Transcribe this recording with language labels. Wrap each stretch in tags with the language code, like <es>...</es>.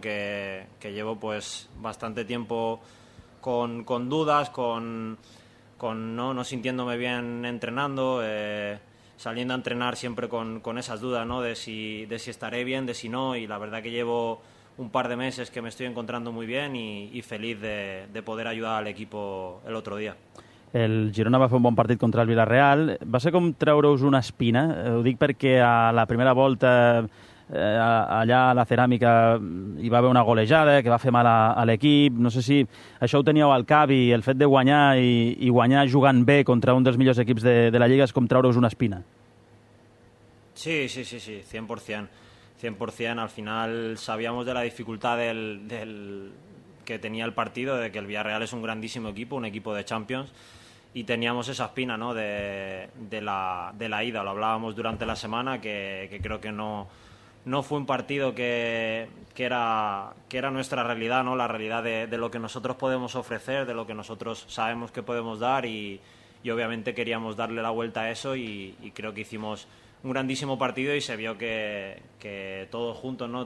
<es>Que llevo pues bastante tiempo con dudas, con no sintiéndome bien entrenando, saliendo a entrenar siempre con esas dudas, ¿no? De si estaré bien, de si no, y la verdad que llevo un par de meses que me estoy encontrando muy bien y feliz de poder ayudar al equipo el otro día.</es> <ca>El Girona va fer un bon partit contra el Villarreal. Va ser com treure-us una espina, ho dic perquè a la primera volta allà a la Ceràmica hi va haver una golejada que va fer mal a l'equip. No sé si això ho teníeu al cap i el fet de guanyar i guanyar jugant bé contra un dels millors equips de la Lliga és com treure-us una espina.</ca> <es>Sí, sí, sí, sí, 100%. Al final sabíamos de la dificultad del que tenía el partido, de que el Villarreal es un grandísimo equipo, un equipo de Champions, y teníamos esa espina, ¿no? de la ida. Lo hablábamos durante la semana que creo que no fue un partido que era nuestra realidad, ¿no? La realidad de lo que nosotros podemos ofrecer, de lo que nosotros sabemos que podemos dar, y obviamente queríamos darle la vuelta a eso, y creo que hicimos un grandísimo partido y se vio que todos juntos, ¿no?</es>